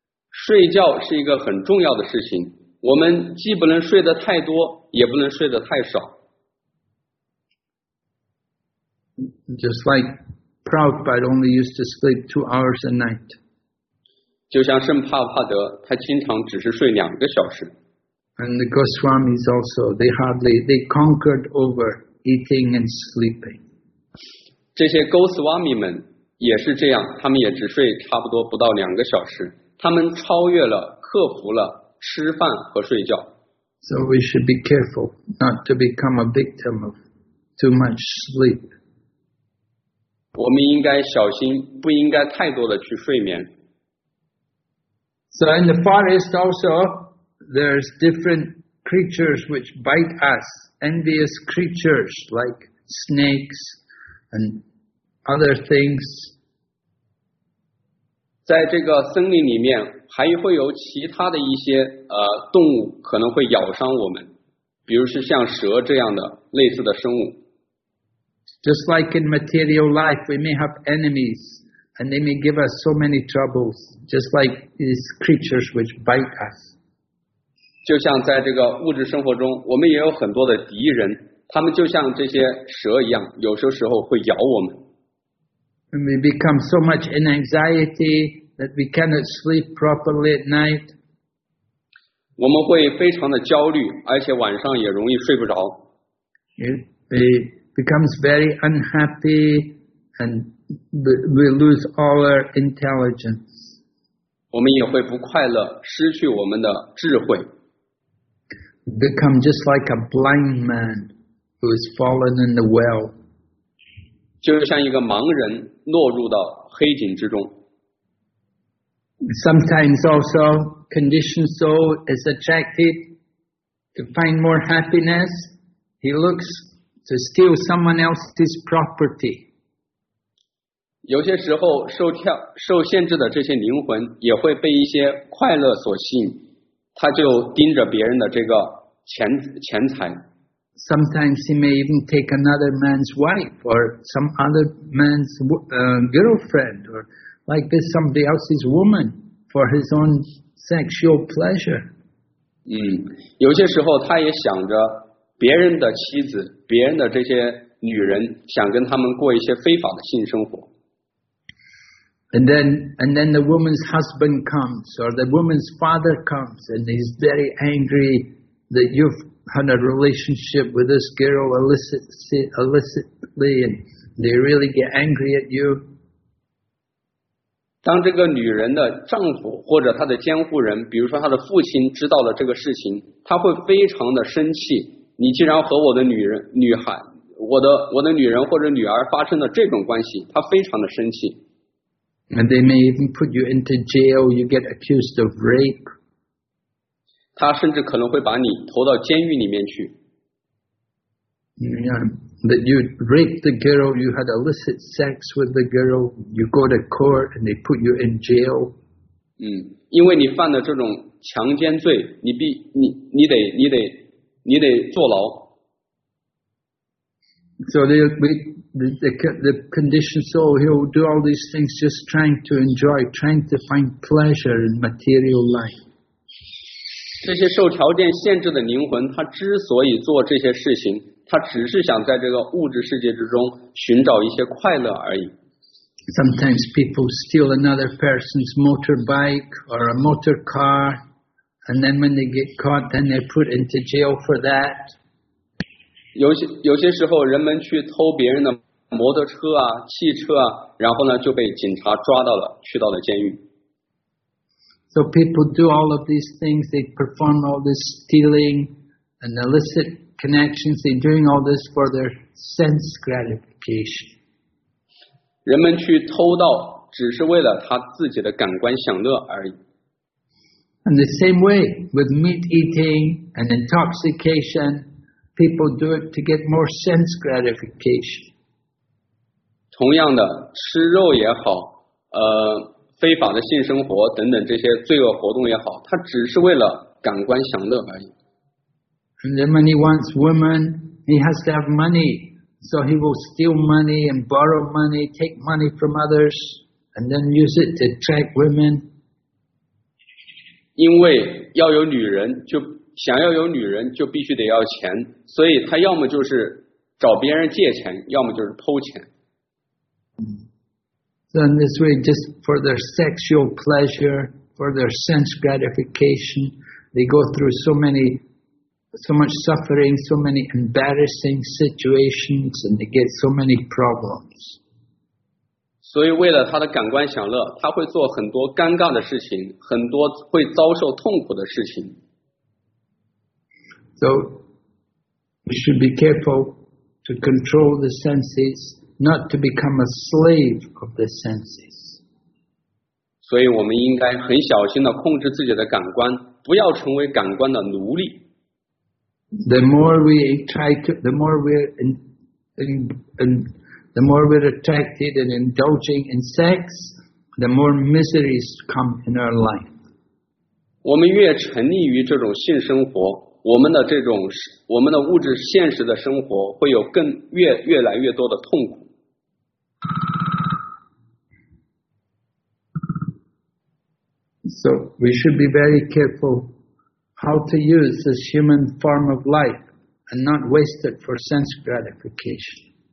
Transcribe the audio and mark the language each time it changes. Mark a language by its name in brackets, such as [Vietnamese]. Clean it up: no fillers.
[Chinese] 睡觉是一个很重要的事情。我们既不能睡得太多，也不能睡得太少。 [English] Just like Prabhupada only used to sleep 2 hours a night. [Chinese] 就像圣帕帕德，他经常只是睡两个小时。 [English] And the Goswamis also, they conquered over eating and sleeping. [Chinese] 这些 Goswami 们也是这样，他们也只睡差不多不到两个小时，他们超越了，克服了吃饭和睡觉。 [English] So we should be careful not to become a victim of too much sleep. [Chinese] 我们应该小心，不应该太多的去睡眠。 [English] So in the forest also,There's different creatures which bite us, envious creatures like snakes and other things. [Chinese] 在这个森林里面还会有其他的一些动物可能会咬伤我们，比如是像蛇这样的类似的生物。 [English] Just like in material life, we may have enemies and they may give us so many troubles, just like these creatures which bite us. [Chinese] 就像在这个物质生活中，我们也有很多的敌人，他们就像这些蛇一样，有些时候会咬我们。 [English] And we become so much in anxiety that we cannot sleep properly at night. [Chinese] 我们会非常的焦虑，而且晚上也容易睡不着。 [English] It becomes very unhappy and we lose all our intelligence. [Chinese] 我们也会不快乐，失去我们的智慧。 [English] Become just like a blind man who has fallen in the well. [Chinese] 就像一个盲人落入到黑井之中。 [English] Sometimes also, conditioned soul is attracted to find more happiness. He looks to steal someone else's property. [Chinese] 有些时候受限制的这些灵魂也会被一些快乐所吸引，他就盯着别人的这个钱财。 [English] Sometimes he may even take another man's wife or some other man's girlfriend or like this somebody else's woman for his own sexual pleasure. [Chinese] 有些时候他也想着别人的妻子，别人的这些女人，想跟他们过一些非法的性生活。 [English] And then the woman's husband comes or the woman's father comes and he's very angry. That you've had a relationship with this girl illicitly, and they really get angry at you. [Chinese] 当这个女人的丈夫或者她的监护人，比如说她的父亲知道了这个事情，她会非常的生气。你既然和我的女人或者女儿发生了这种关系，她非常的生气。 [English] And they may even put you into jail. You get accused of rape. [Chinese] 他甚至可能会把你投到监狱里面去。 [English] Yeah, that you raped the girl, you had illicit sex with the girl, you go to court and they put you in jail. [Chinese] 因为你犯了这种强奸罪，你得坐牢。 [English] So the conditioned soul, he'll do all these things just trying to enjoy, trying to find pleasure in material life. [Chinese] 这些受条件限制的灵魂，他之所以做这些事情，他只是想在这个物质世界之中寻找一些快乐而已。 [English] Sometimes people steal another person's motorbike or a motor car, and then when they get caught, then they're put into jail for that. [Chinese] 有些时候，人们去偷别人的摩托车啊、汽车啊，然后呢就被警察抓到了，去到了监狱。 [English] So people do all of these things, they perform all this stealing and illicit connections, they're doing all this for their sense gratification. [Chinese] 人们去偷盗只是为了他自己的感官享乐而已。 [English] And the same way with meat eating and intoxication, people do it to get more sense gratification. [Chinese] 同样的，吃肉也好，非法的性生活等等这些罪恶活动也好，他只是为了感官享乐而已。 [English] And then when he wants women, he has to have money. So he will steal money and borrow money, take money from others, and then use it to attract women. [Chinese] 因为要有女人，就想要有女人，就必须得要钱，所以他要么就是找别人借钱，要么就是偷钱。 [English] So in this way, just for their sexual pleasure, for their sense gratification, they go through so much suffering, so many embarrassing situations, and they get so many problems. [Chinese] 所以为了他的感官享乐，他会做很多尴尬的事情，很多会遭受痛苦的事情。 [English] So we should be careful to control the senses, not to become a slave of the senses. [Chinese] 所以我们应该很小心地控制自己的感官，不要成为感官的奴隶。 [English] The more we're attracted and indulging in sex, the more miseries come in our life. [Chinese] 我们越沉溺于这种性生活，我们的物质现实的生活会有越来越多的痛苦。 [English] So we should be very careful how to use this human form of life and not waste it for sense gratification.